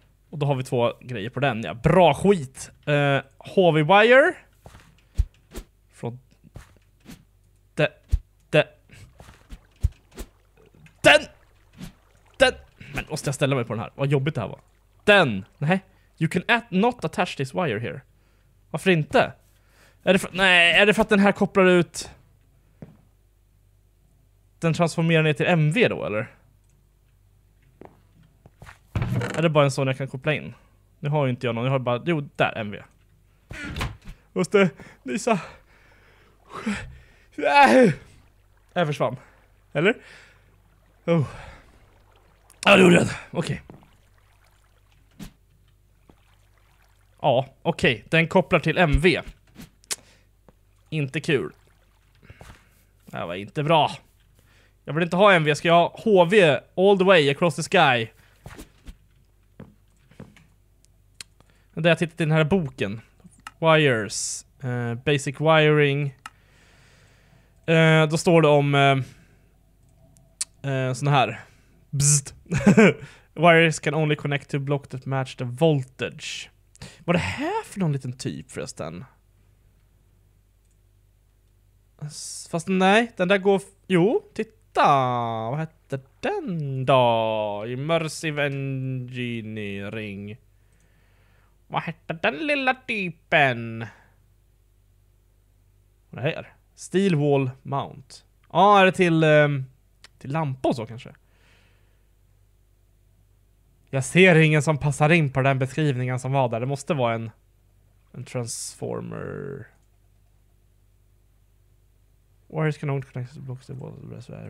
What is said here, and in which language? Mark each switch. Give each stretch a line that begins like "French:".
Swedish: Och då har vi två grejer på den, ja. Bra skit! HV-wire. Från... Den! Men måste jag ställa mig på den här? Vad jobbigt det här var. Den! Nej.
English: You can at not attach this wire here.
Swedish: Varför inte? Är det för att den här kopplar ut... Den transformerar ner till MV då, eller? Är det bara en sån jag kan koppla in? Nu har ju inte jag någon, jag har bara... Jo, där, MV. Måste nysa. Jag försvann. Eller? Oh. Ja, det gjorde jag. Okej. Ja, okej. Okay. Den kopplar till MV. Inte kul. Det här var inte bra. Jag vill inte ha MV, ska jag ha HV
English: all the way across the sky?
Swedish: Det jag tittat i den här boken.
English: Wires. Basic wiring.
Swedish: Då står det om... sån här. Bzzzt.
English: Wires can only connect to block that match the voltage.
Swedish: Vad är det här för någon liten typ förresten? Fast nej, den där går... Jo, titta! Vad heter den då?
English: Immersive engineering.
Swedish: Vad heter den lilla typen? Vad är det här? Steel wall mount. Ja, ah, är det till... till lampor så kanske. Jag ser ingen som passar in på den beskrivningen som var där. Det måste vara en transformer.
English: Wires can only connect to blocks of wall.